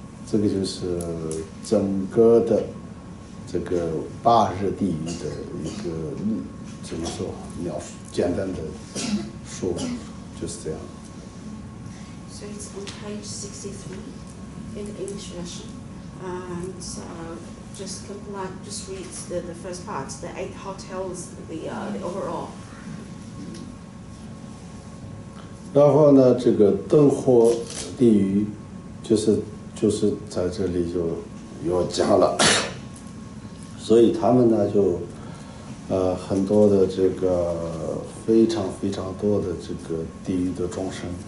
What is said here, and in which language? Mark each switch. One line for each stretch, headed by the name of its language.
Chinese: 这个就是整个的这个八热地狱的一个怎么说描述，简单的说就是这样。
English: So it's on page 63 in the English version. And so just read the first part, the eight hot hells, the overall.
Chinese: 然后呢，这个灯火地狱，就是在这里就有讲了。所以他们呢就很多的这个非常非常多的这个地狱的众生。